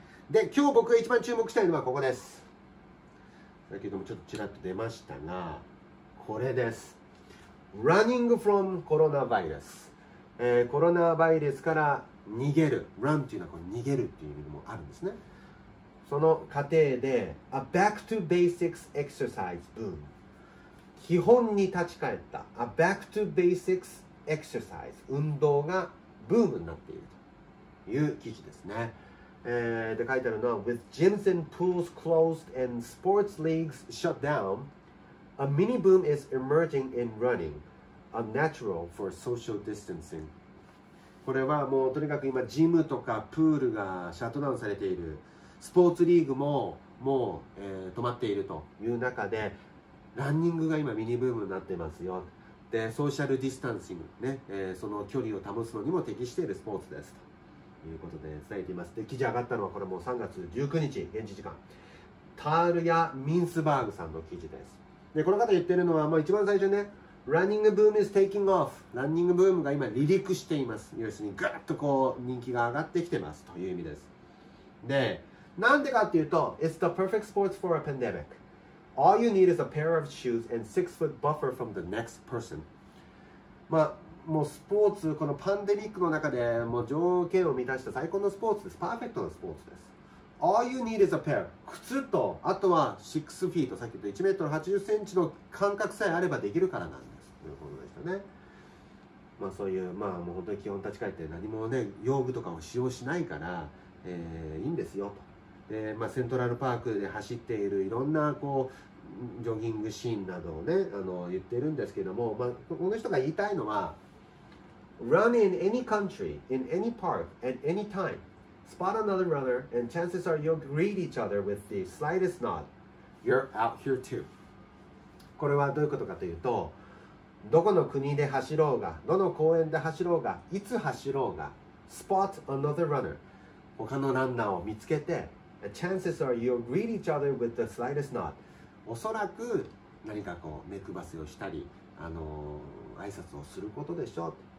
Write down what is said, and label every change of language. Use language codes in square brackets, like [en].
[ja] で今日僕が一番注目したいのはここです。だけどもちょっとちらっと出ましたが、これです。 [en] Running from coronavirus。 [ja] コロナウイルスから逃げる。Run というのはこれ逃げるという意味もあるんですね。その過程で、 [en] A back to basics exercise boom。 [ja] 基本に立ち返った。 [en] A back to basics exercise。 [ja] 運動がブームになっているという記事ですね。で書いてあるのは [en] With gyms and pools closed and sports leagues shut down, a mini boom is emerging in running, a natural for social distancing. [ja] これはもうとにかく今ジムとかプールがシャットダウンされている、スポーツリーグももう、止まっているという中で、ランニングが今ミニブームになってますよ。でソーシャルディスタンシングね、その距離を保つのにも適しているスポーツですということで伝えています。で記事上がったのはこれもう3月19日現地時間、タールヤ・ミンスバーグさんの記事です。でこの方言ってるのはもう一番最初ね、ランニングブーム [en] is taking off、 [ja] ランニングブームが今離陸しています、要するにグッとこう人気が上がってきてますという意味です。でなんでかっていうと、 [en] It's the perfect sports for a pandemic. All you need is a pair of shoes and 6-foot buffer from the next person. まあ [ja] もうスポーツ、このパンデミックの中でもう条件を満たした最高のスポーツです。パーフェクトなスポーツです。 [en] All you need is a pair、 [ja] 靴とあとは6 feet、 さっき言った1メートル80センチの間隔さえあればできるからなんです、ということでしたね。まあそういう、まあもう本当に基本立ち返って何もね、用具とかを使用しないから、いいんですよと。でまあ、セントラルパークで走っているいろんなこうジョギングシーンなどをね、言ってるんですけども、まあ、この人が言いたいのは [en] Run in any country, in any park, at any time. Spot another runner and chances are you'll greet each other with the slightest nod. You're out here too. [ja] これはどういうことかというと、どこの国で走ろうが、どの公園で走ろうが、いつ走ろうが、 [en] Spot another runner、 [ja] 他のランナーを見つけて、 [en] Chances are you'll greet each other with the slightest nod。 [ja] おそらく何かこう目くばせをしたり、挨拶をすることでしょう。